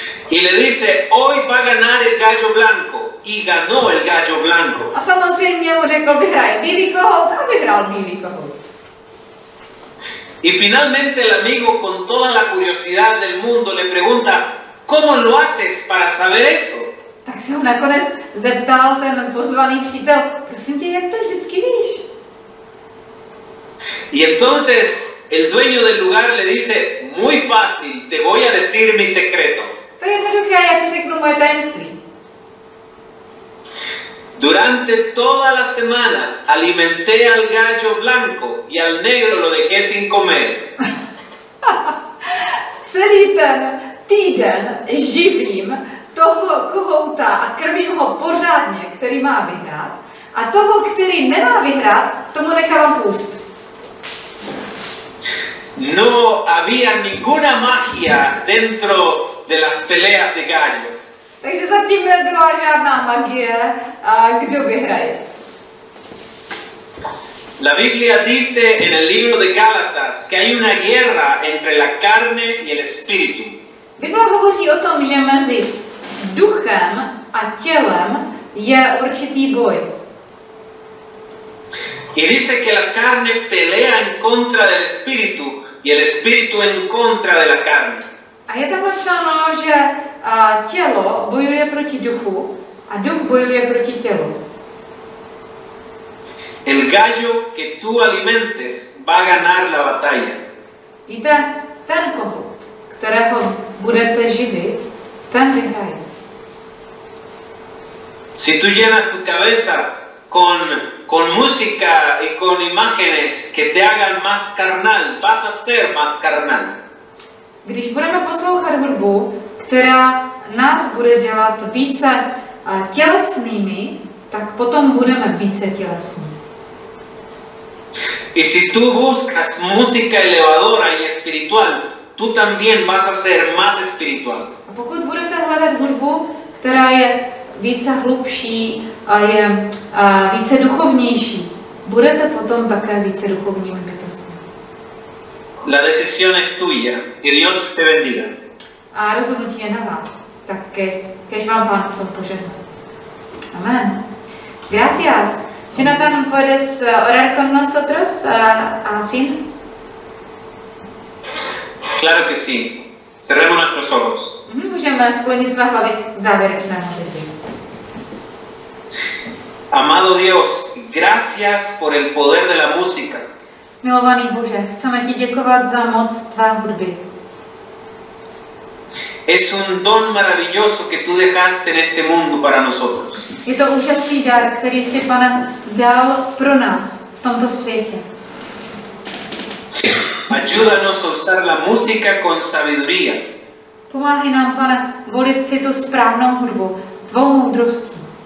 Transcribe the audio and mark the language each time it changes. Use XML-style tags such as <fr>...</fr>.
<es>Y le dice, hoy va a ganar el gallo blanco. Y ganó el gallo blanco.</es> <cs>A samozřejmě mu řekl, vyhraje bílý kohout a vyhrál bílý kohout.</cs> <es>Y finalmente el amigo, con toda la curiosidad del mundo, le pregunta: ¿cómo lo haces para saber eso?</es> <cs>Tak se ho nakonec zeptal ten pozvaný přítel: prosím tě, jak to vždycky víš?</cs> <es>Y entonces el dueño del lugar le dice: muy fácil, te voy a decir mi secreto.</es> <cs>To je jednoduché, já ti řeknu moje tajemství.</cs> <es>Durante toda la semana alimenté al gallo blanco y al negro lo dejé sin comer.</es> <cs>Celý ten týden živím toho kohouta a krmím ho pořádně, který má vyhrát. A toho, který nemá vyhrát, tomu nechávám půst.</cs> <es>No había ninguna magia dentro de las peleas de gallos.</es> <cs>Takže zatím nebyla žádná magie, a kdo vyhraje.</cs> <es>La Biblia dice en el libro de Gálatas que hay una guerra entre la carne y el espíritu.</es> <cs>Biblia hovoří o tom, že mezi duchem a tělem je určitý boj.</cs> <es>Y dice que la carne pelea en contra del espíritu y el espíritu en contra de la carne.</es> <cs>A je tam napsáno, že tělo bojuje proti duchu a duch bojuje proti tělu.</cs> <es>El gallo que tú alimentes va a ganar la batalla.</es> <cs>I ten kohout, kterého budete živit, ten vyhraje.</cs> <es>Si tú llenas tu cabeza con música y con imágenes que te hagan más carnal, vas a ser más carnal.</es> <cs>Když budeme poslouchat hudbu, která nás bude dělat více tělesnými, tak potom budeme více tělesní.</cs> <es>Y si tú buscas música elevadora y espiritual, tú también vas a ser más espiritual.</es> <cs>A pokud budete hledat hudbu, která je více hlubší a je více duchovnější, budete potom také více duchovními bytostmi.</cs> <es>La decisión es tuya y Dios te bendiga.</es> <cs>A rozhodnutí je na vás. Tak kež vám Pán v tom požehná. Amen.</cs> <es>Gracias. Jonathan, puedes orar con nosotros, Finn? Claro que sí. Cerremos nuestros ojos.</es> <cs>Můžeme sklonit své hlavy závěrečné modlitby.</cs> <es>Amado Dios, gracias por el poder de la música.</es> <cs>Milovaný Bože, chceme ti děkovat za moc tvé hudby.</cs> <es>Es un don maravilloso que tú dejaste en este mundo para nosotros.</es> <cs>Je to úžasný dar, který jsi, Pane, dal pro nás v tomto světě.</cs> <es>Ayúdanos a usar la música con sabiduría.</es> <cs>Pomáhej nám, Pane, volit si tu správnou hudbu, tvou moudrostí.</cs>